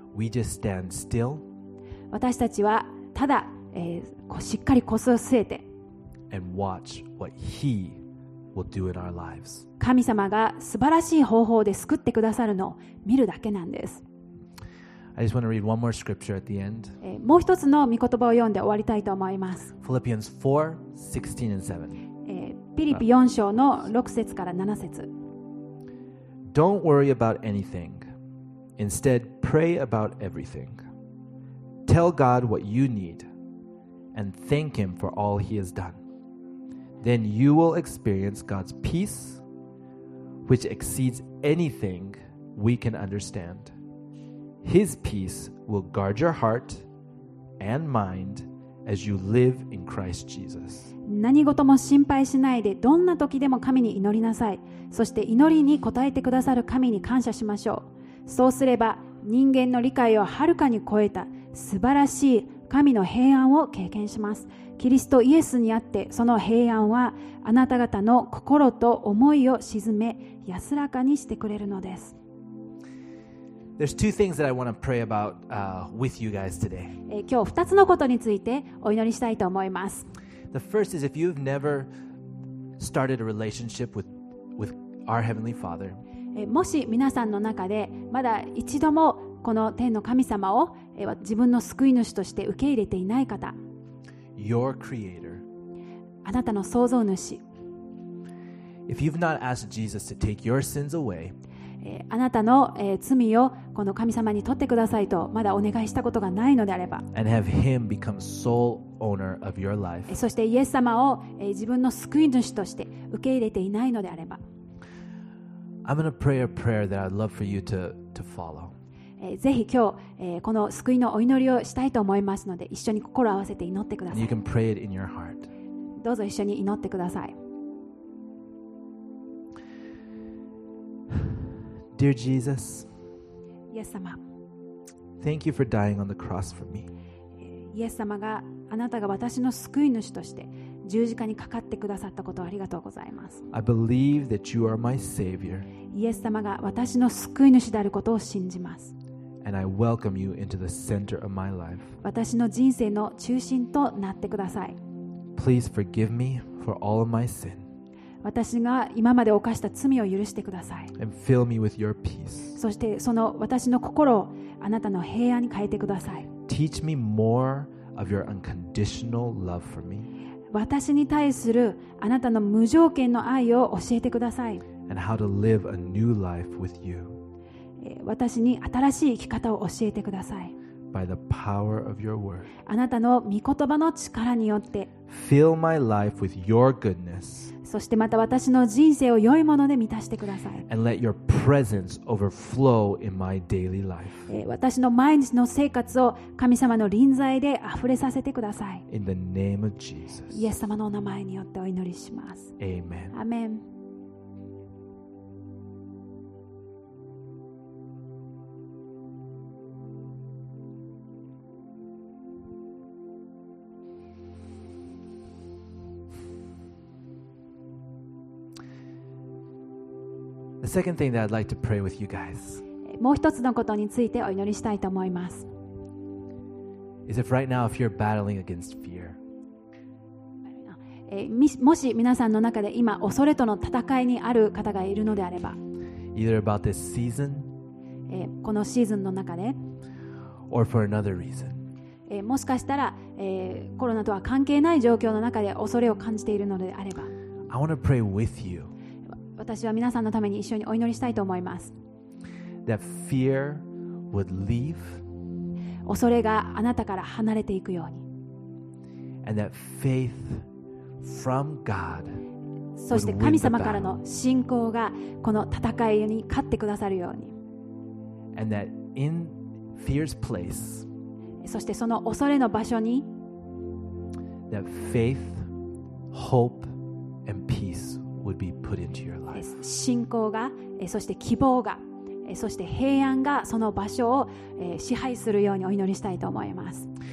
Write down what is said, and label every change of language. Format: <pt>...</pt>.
<en>We just stand still.</en> <ja>私たちはただ、しっかり腰を据えて、</ja> <en>And watch what he will do in our lives.</en> <ja>神様が素晴らしい方法で救ってくださるのを見るだけなんです。</ja> <en>I just want to read one more scripture at the end.</en> <ja>もう一つの御言葉を読んで終わりたいと思います。</ja> <en>Philippians 4:16 and 7.</en> <ja>ピリピ4章の6節から7節。</ja> <en>Don't worry about anything. Instead, pray about everything. Tell God what you need and thank Him for all He has done. Then you will experience God's peace, which exceeds anything we can understand. His peace will guard your heart and mind as you live in Christ Jesus.</en> <ja>何事も心配しないで、どんな時でも神に祈りなさい。そして祈りに応えてくださる神に感謝しましょう。そうすれば、人間の理解をはるかに超えた素晴らしい神の平安を経験します。キリストイエスにあって、その平安はあなた方の心と思いを鎮め、安らかにしてくれるのです。</ja> <en>There's two things that I want to pray about, with you guys today.</en> <ja>今日2つのことについてお祈りしたいと思います。</ja> <en>The first is if you've never started a relationship with our Heavenly Father.</en> <ja>もし皆さんの中でまだ一度もこの天の神様を自分の救い主として受け入れていない方、</ja> <en>Your creator.</en> <ja>あなたの創造主。</ja> <en>If you've not asked Jesus to take your sins away,</en> <ja>あなたの、罪をこの神様に取ってくださいとまだお願いしたことがないのであれば、</ja> <en>and have him become sole owner of your life,</en> <ja>そしてイエス様を、自分の救い主として受け入れていないのであれば、</ja> <en>I'm going to pray a prayer that I'd love for you to follow.</en> <ja>ぜひ今日、この救いのお祈りをしたいと思いますので、一緒に心を合わせて祈ってください。</ja> <en>You can pray it in your heart.</en> <ja>どうぞ一緒に祈ってください。</ja> <en>Dear Jesus,</en> <ja>イエス様、</ja> <en>Thank you for dying on the cross for me.</en> <ja>イエス様が、あなたが私の救い主として十字架にかかってくださったことをありがとうございます。</ja> <en>I believe that you are my savior.</en> <ja>イエス様が私の救い主であることを信じます。</ja> <en>And I welcome you into the center of my life.</en> <ja>私の人生の中心となってください。</ja> <en>Please forgive me for all of my sin.</en> <ja>私が今まで犯した罪を許してください。</ja> <en>And fill me with your peace.</en> <ja>そしてその私の心をあなたの平安に変えてください。</ja> <en>Teach me more of your unconditional love for me.</en> <ja>私に対するあなたの無条件の愛を教えてください。</ja> <en>And how to live a new life with you.</en> <ja>私に新しい生き方を教えてください。</ja> <en>By the power of your word.</en> <ja>あなたの御言葉の力によって。</ja> <en>Fill my life with your goodness.</en> <ja>そしてまた私の人生を良いもので満たしてください。</ja> <en>And let your presence overflow in my daily life.</en> <ja>私の毎日の生活を神様の臨在で溢れさせてください。</ja> <en>In the name of Jesus.</en> <ja>イエス様のお名前によってお祈りします。</ja> <en>Amen.</en> <ja>アメン。</ja> <en>The second thing that I'd like to pray with you guys.</en> <ja>もう一つのことについてお祈りしたいと思います。</ja> <en>Is if right now if you're battling against fear.</en> <ja>もし皆さんの中で今恐れとの戦いにある方がいるのであれば、</ja> <en>Either about this season,</en> <ja>このシーズンの中で、</ja> <en>Or for another reason.</en> <ja>もしかしたら、コロナとは関係ない状況の中で恐れを感じているのであれば、</ja> <en>I want to pray with you.</en> <ja>私は皆さんのために一緒にお祈りしたいと思います。</ja> <en>That fear would leave.</en> <ja>恐れがあなたから離れていくように。</ja> <en>And that faith from God.</en> <ja>そして神様からの信仰がこの戦いに勝ってくださるように。</ja> <en>And that in fear's place.</en> <ja>そしてその恐れの場所に。</ja> <en>That faith, hope. And peace would be put into your life.</en> <ja>信仰が、そして希望が、そして平安がその場所を、支配するようにお祈りしたいと思います。</ja>